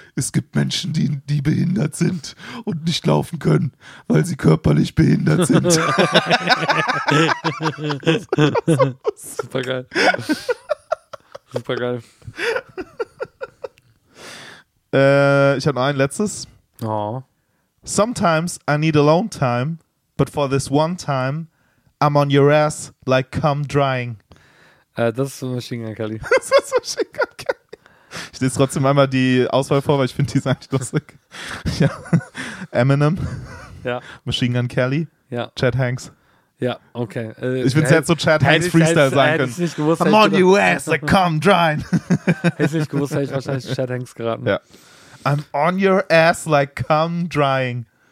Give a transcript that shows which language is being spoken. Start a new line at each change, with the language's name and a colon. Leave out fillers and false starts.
German: Es gibt Menschen, die behindert sind und nicht laufen können, weil sie körperlich behindert sind. Super geil. Ich habe noch ein letztes. Oh.
English: Sometimes I need alone time, but for this one time, I'm on your ass like cum drying.
German: Das ist so Machine Gun Kelly. Das ist so Machine Gun Kelly. Ich lese trotzdem einmal die Auswahl vor, weil ich finde die ist eigentlich lustig. Ja. Eminem. Ja. Machine Gun Kelly. Ja. Chad Hanks. Ja, okay. Ich finde es jetzt so Chad Hanks Freestyle sein können. Hätte ich nicht gewusst.
English: I'm on your ass like cum drying.
German: Hätte ich nicht gewusst, hätte ich wahrscheinlich Chad Hanks geraten. Ja.
English: I'm on your ass like cum drying.